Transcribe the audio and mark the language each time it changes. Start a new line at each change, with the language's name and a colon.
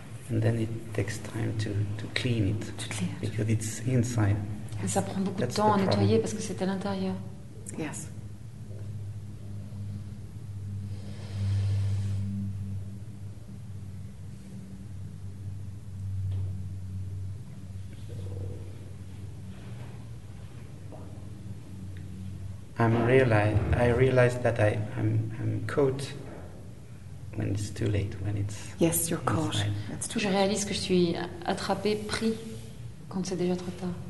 English: And then it takes time to clean it. To clear. Because it's inside.
French: Et ça prend beaucoup de temps à nettoyer parce que c'est à l'intérieur.
English: Yes. I realize that I'm caught when it's too late, when it's yes, you're caught. That's too
French: je réalise que je suis attrapé, pris quand c'est déjà trop tard.